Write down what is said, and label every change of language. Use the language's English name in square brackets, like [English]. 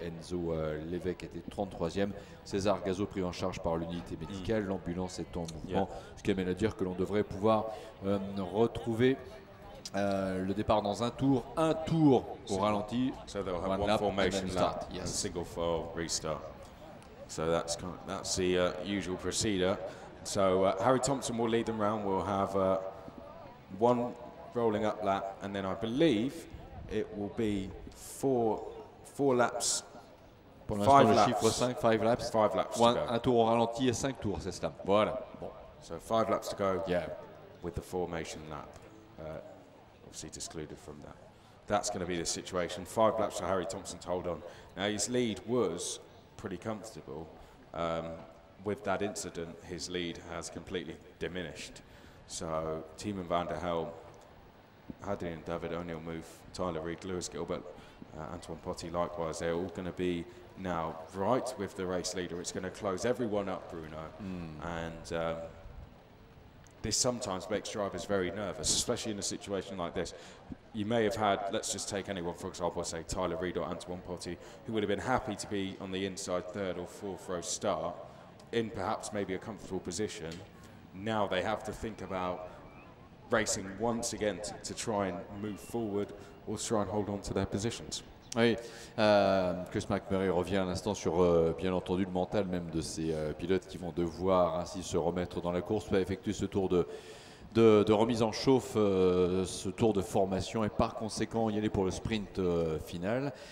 [French] Enzo Lévesque était 33e. César Gazo pris en charge par l'unité médicale. Mmh. L'ambulance est en mouvement. [English] Yeah. [French] Ce qui amène à dire que l'on devrait pouvoir retrouver le départ dans un tour au ralenti. [English] So they'll have one formation lap, yes. And single file restart. So that's kind of, that's the usual procedure. So Harry Thompson will lead them round. We'll have one rolling up lap, and then I believe it will be four laps. [French] Pour l'instant, five le laps. Chiffre 5, [English] five laps. Five laps. [French] One, un tour au ralenti et 5 tours, c'est cela. Voilà. Bon. [English] So five laps to go. Yeah. With the formation lap. Obviously excluded from that. That's going to be the situation. Five laps for Harry Thompson to hold on. Now, his lead was pretty comfortable. With that incident, his lead has completely diminished. So, team in Van der Helm, Hadrian David O'Neill move, Tyler Reed, Lewis Gilbert, Antoine Potty, likewise, they're all going to be now right with the race leader. It's going to close everyone up, Bruno. Mm. And this sometimes makes drivers very nervous, especially in a situation like this. You may have had, let's just take anyone, for example, say Tyler Reed or Antoine Potty, who would have been happy to be on the inside third or fourth row start in perhaps maybe a comfortable position. Now they have to think about racing once again to try and move forward or try and hold on to their positions. [French] Oui, Chris McMurray revient un instant sur, bien entendu, le mental même de ces pilotes qui vont devoir ainsi se remettre dans la course, pas effectuer ce tour de remise en chauffe, ce tour de formation et par conséquent y aller pour le sprint final.